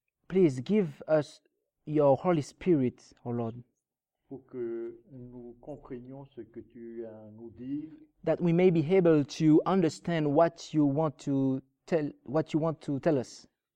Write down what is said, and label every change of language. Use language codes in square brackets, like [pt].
[en] Please give us your Holy Spirit, O Lord. [fr] Pour que nous comprenions ce que tu as à nous dire. [en] That we may be able to understand what you want to tell, what you want to tell us.